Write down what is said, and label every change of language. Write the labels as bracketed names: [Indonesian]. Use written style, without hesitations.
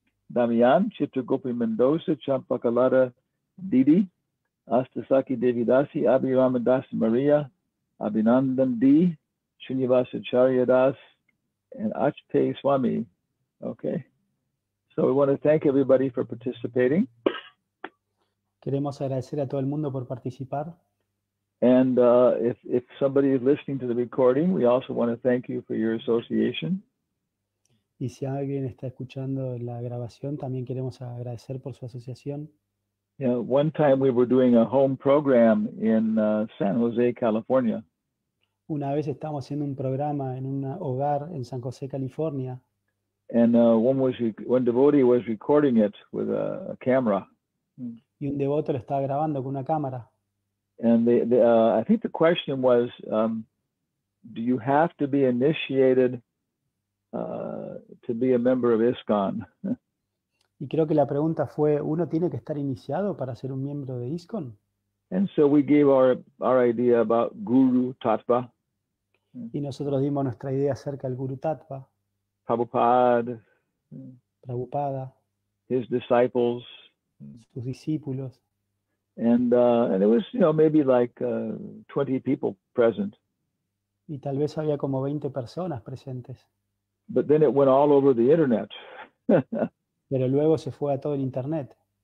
[English] Damian, Chitra Gopi Mendoza, Champakalada Didi, Astasaki Devidasi, Abhi Ramadas Maria, Abhinandan D, Srinivasa Charya Das, and Achpe Swami. Okay. So we want to thank everybody for participating. [Spanish] Queremos agradecer a todo el mundo por participar. [English] And if somebody is listening to the recording, we also want to thank you for your association. [Spanish] Y si alguien está escuchando la grabación, también queremos agradecer por su asociación. [English] You know, one time we were doing a home program in San Jose, California. [Spanish] Una vez estábamos haciendo un programa en un hogar en San José, California. [English] And one devotee was recording it with a camera. [Spanish] Y un devoto lo estaba grabando con una cámara. [English] And I think the question was, do you have to be initiated to be a member of ISKCON? [Spanish] Y creo que la pregunta fue, ¿uno tiene que estar iniciado para ser un miembro de ISKCON? [English] And so we gave our idea about Guru Tattva. [Spanish] Y nosotros dimos nuestra idea acerca del Guru Tattva. [English] Prabhupada. [Spanish] Prabhupada. [English] His disciples. [Spanish] Sus discípulos. [English] And it was, you know, maybe like 20 people present. [Spanish] Y tal vez había como 20 personas presentes. [English] But then it went all over the internet. [Spanish] Pero luego se fue a todo el internet.